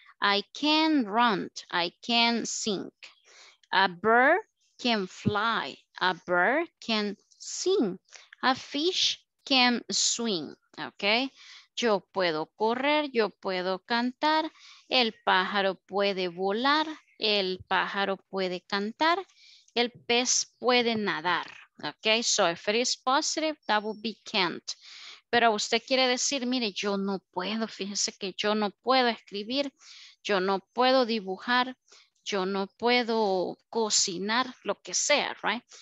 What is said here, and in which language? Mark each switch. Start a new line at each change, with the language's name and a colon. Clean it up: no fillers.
English: I can run, I can sing. A bird can fly, a bird can sing, a fish can swim, okay?
Spanish: Yo puedo correr, yo puedo cantar, el pájaro puede volar, el pájaro puede cantar, el pez puede nadar, okay?
English: So if it is positive, that would be can't.
Spanish: Pero usted quiere decir, mire, yo no puedo, fíjese que yo no puedo escribir, yo no puedo dibujar, yo no puedo cocinar, lo que sea, right?